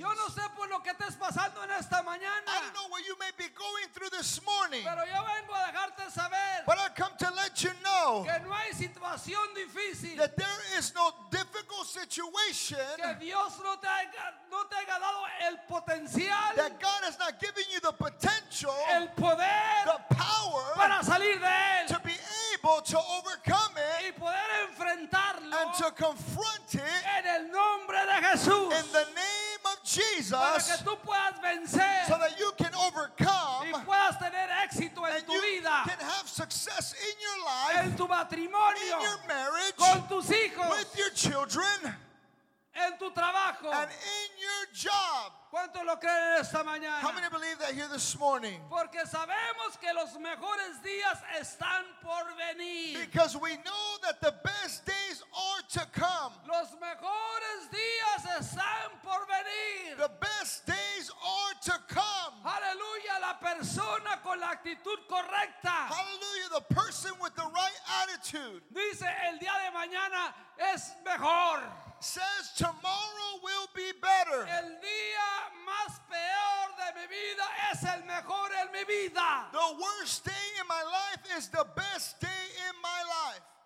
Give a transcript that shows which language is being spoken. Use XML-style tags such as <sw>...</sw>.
<es>Yo no sé por lo que estés pasando en esta mañana.</es> <en>I don't know what you may be going through this morning.</en> <es>Pero yo vengo a dejarte saber.</es> <en>But I come to let you know.</en> <es>Que no hay situación difícil.</es> <en>That there is no difficult situation.</en> <es>Que Dios no te haya dado el potencial.</es> <en>That God has not given you the potential.</en> <es>El poder.</es> <en>The power.</en> <es>Para salir de él.</es> <en>To be able to overcome it.</en> <es>Y poder enfrentar. enfrentarlo</es> <en>and to confront it</en> <es>en el nombre de Jesús.</es> <en>In the name of Jesus,</en> <es>para que tú puedas vencer,</es> <en>so that you can overcome</en> <es>y puedas tener éxito en</es> <en>and</en> <es>tu</es> <en>you</en> <es>vida,</es> <en>can have success in your life,</en> <es>en tu matrimonio,</es> <en>in your marriage,</en> <es>con tus hijos,</es> <en>with your children,</en> <es>en tu trabajo,</es> <en>and in your job.</en> <es>¿Cuántos lo creen en esta mañana?</es> <en>How many believe that here this morning?</en> <es>Porque sabemos que los mejores días están por venir.</es> <en>Because we know that the best days are to come.</en> <es>Los mejores días están por venir.</es> <en>The best days are to come.</en> <es>Aleluya, la persona con la actitud correcta.</es> <en>Hallelujah, the person with the right attitude.</en> <es>Dice, el día de mañana es mejor.</es> <en>Says tomorrow will be better.</en> <es>El día más peor de mi vida es el mejor en mi vida.</es> <en>The worst day in my life is the best day in my life.</en>